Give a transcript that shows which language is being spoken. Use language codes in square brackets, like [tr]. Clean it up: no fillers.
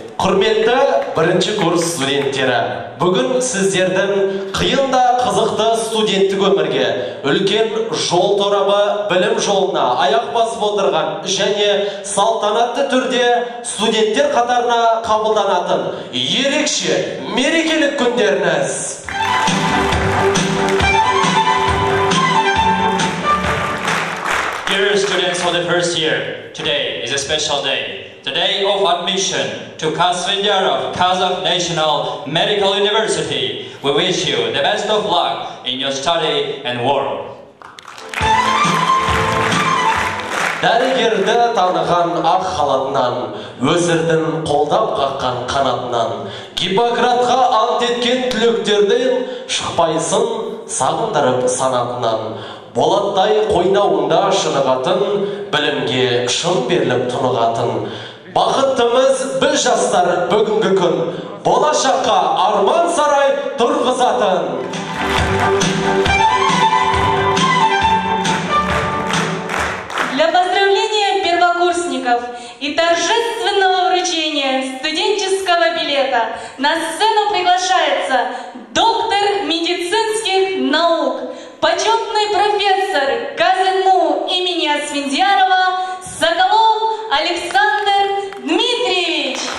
[kk] Құрметті бірінші курс студенттері. Бүгін сіздердің қиын да қызықты студенттік өмірге, үлкен жол торабы білім жолына аяқ басып отырған және салтанатты түрде студенттер қатарына қабылданатын ерекше мерекелік күндеріңіз. [en] Dear students for the first year, today is a special day. The day of admission to Asfendiyarov Kazakh National Medical University. We wish you the best of luck in your study and work. [kk] Дәрігерді таныған ақ халатынан, өзірдің қолдап қаққан қанатынан, Гиппократқа ант еткен түлектерден шықпайсын сағындырып санатынан, болаттай қойнауында шынығатын, білімге шын беріліп тұнығатын, бақыттымыз біз жастар бүгінгі күн болашаққа арман сарай тұрғызатын. [ru] Для поздравления первокурсников и торжественного вручения студенческого билета на сцену приглашается доктор медицинских наук, почетный профессор КазНУ имени Асфендиярова Соколов Александр Дмитриевич.